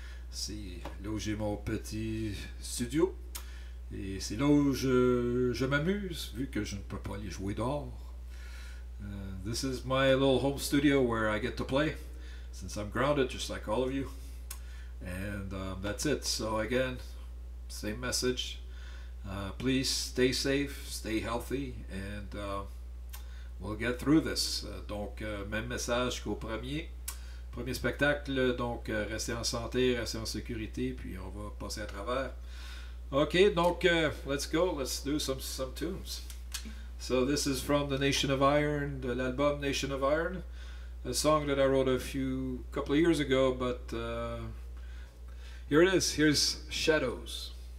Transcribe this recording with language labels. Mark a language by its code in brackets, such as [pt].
[fr] C'est là où j'ai mon petit studio et c'est là où je m'amuse vu que je ne peux pas aller jouer dehors. [en] This is my little home studio where I get to play since I'm grounded just like all of you. And that's it. So again, same message. Please stay safe, stay healthy, and we'll get through this. [fr] Donc, même message qu'au premier spectacle, donc restez en santé, restez en sécurité, puis on va passer à travers. [en] Ok, donc, let's go, let's do some tunes. So this is from the Nation of Iron, [fr] de l'album [en] Nation of Iron, a song that I wrote a couple of years ago, but here it is, here's Shadows.